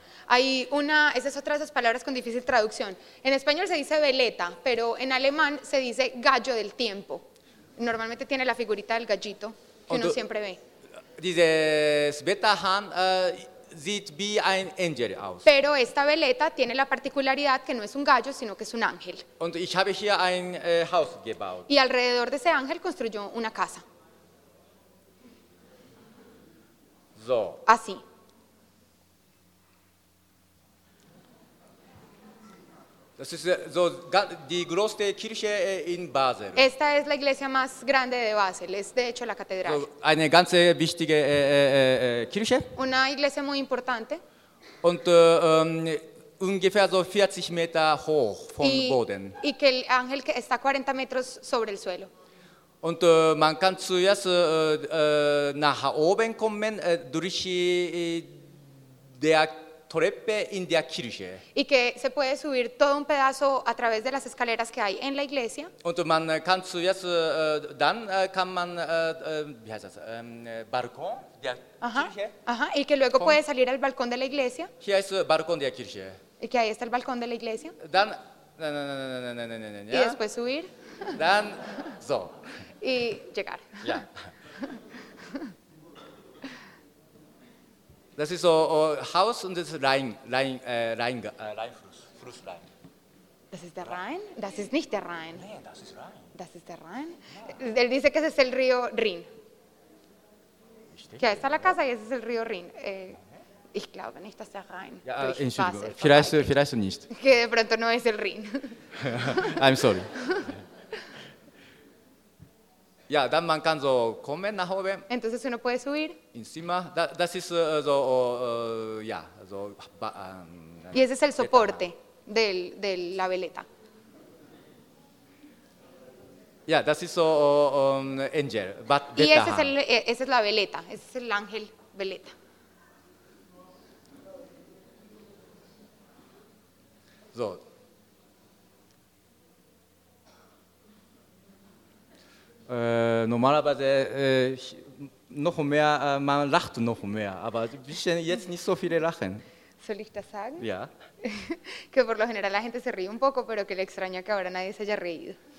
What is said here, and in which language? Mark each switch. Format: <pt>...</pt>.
<es>Hay una, esa es otra de esas palabras con difícil traducción. En español se dice veleta, pero en alemán se dice gallo del tiempo. Normalmente tiene la figurita del gallito que uno siempre ve. Dice</es> <de>Wetterhahn sieht wie ein Engel aus.</de> <es>Pero esta veleta tiene la particularidad que no es un gallo, sino que es un ángel.</es> <de>Und ich habe hier ein Haus gebaut.</de> <es>Y alrededor de ese ángel construyó una casa.</es> <de>So.</de> <es>Así.</es> <de>Das ist so die größte Kirche in Basel.</de> <es>Esta es la iglesia más grande de Basel. Es de hecho la catedral.</es> <de>So eine ganz wichtige Kirche.</de> <es>Una iglesia muy importante.</es> <de>Und ungefähr so 40 Meter hoch vom Boden.</de> <es>Y que el ángel que está 40 metros sobre el suelo.</es> <de>Und man kann zuerst nach oben kommen durch der Treppe in der Kirche.</de> <es>Y que se puede subir todo un pedazo a través de las escaleras que hay en la iglesia.</es> <de>Und man kann zuerst, dann kann man, wie heißt das, Balkon der Kirche.</de> <es>Ajá, y que luego puede salir al balcón de la iglesia.</es> <de>Hier ist Balkon der Kirche.</de> <es>Y que ahí está el balcón de la iglesia.</es> <de>Dann, nein,</de> <es>ja. Y después subir.</es> <de>Dann, so.</de> <es>Y llegar.</es> <de>Ja. Das ist so Haus und das ist Rhein. Das ist der Rhein? Das ist nicht der Rhein. Nein, das ist Rhein. Das ist der Rhein? Ja.</de> <es>Él dice que ese es el río Rhin. Ja, está la casa y ese es el río Rhin.</es> <de>Ich glaube nicht, dass der Rhein ja, Entschuldigung, Basel vielleicht nicht.</de> <es>Que de pronto no es el Rhin.</es> <en>I'm sorry.</en> <de>Ja, dann man kann so kommen nach oben.</de> <es>Entonces uno puede subir.</es> <de>In Zimmer. Das ist so, ja, so.</de> <es>Y ese es el soporte de la veleta.</es> <de>Ja, das ist so Engel.</de> <es>Y ese es la veleta. Ese es el ángel veleta.</es> <de>So. Normalerweise noch mehr, man lacht noch mehr, aber ein bisschen jetzt nicht so viele lachen. ¿Soy yo sagen?</de> <es>Ya. Que por lo general la gente se ríe un poco, pero que le extraña que ahora nadie se haya reído.</es>